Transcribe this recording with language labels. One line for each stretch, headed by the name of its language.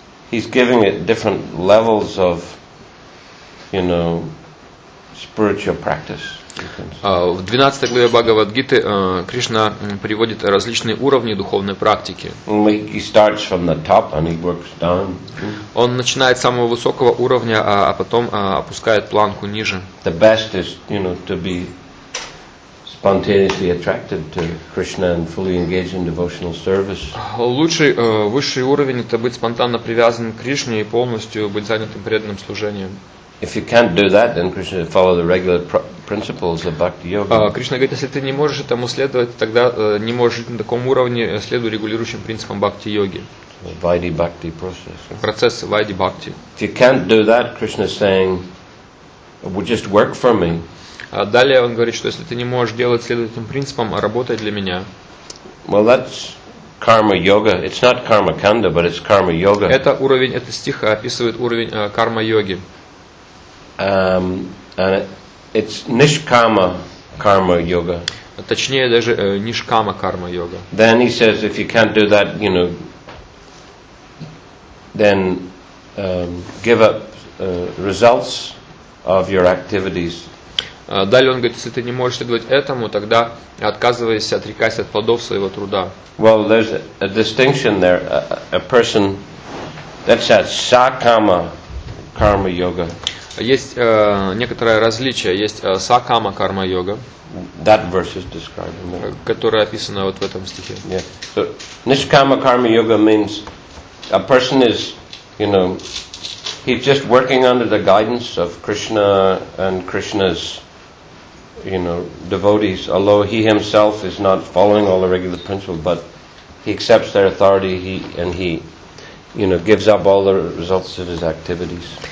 English: He's giving it different levels of, you know, spiritual practice.
Russian: В 12 главе Бхагавад-гиты Кришна приводит различные уровни духовной практики.
English: He starts from the top and he works down.
Russian: Он начинает с самого высокого уровня, а потом опускает планку ниже.
English: The best is, you know, to be spontaneously attracted to Krishna and fully engaged in devotional service.
Russian: Лучший высший уровень это быть спонтанно привязанным к Кришне и полностью быть занятым преданным служением.
English: If you can't do that, then Krishna follow the regular principles of bhakti yoga.
Russian: Кришна говорит, если ты не можешь этому следовать, тогда не можешь жить на таком уровне, следуй регулирующим принципам бхакти йоги.
English: Vaidhi bhakti process.
Russian: Процесс vaidhi bhakti.
English: If you can't do that, Krishna is saying, just work for me.
Russian: Далее он говорит, что если ты не можешь делать следующим принципам, работай для меня.
English: Well, that's karma yoga. It's not karma kanda, but it's karma yoga.
Russian: Это уровень, это стих описывает уровень карма йоги.
English: And it's nishkama karma yoga.
Russian: Точнее даже нишкама карма йога.
English: Then he says, if you can't do that, you know, then give up results of your activities.
Russian: Далее он говорит, если ты не можешь следовать этому, тогда отказывайся, отрекайся от плодов своего труда.
English: Well, there's a distinction there. A person that's a sakama karma yoga.
Russian: Есть некоторое различие. Есть сакама карма йога.
English: That verse is described.
Russian: Которое описано вот в этом стихе.
English: Yeah. So, nishkama karma yoga means a person is, you know, he's just working under the guidance of Krishna and Krishna's, you know, devotees, although he himself is not following all the regular principles, but he accepts their authority, he you know, gives up all the results of his activities.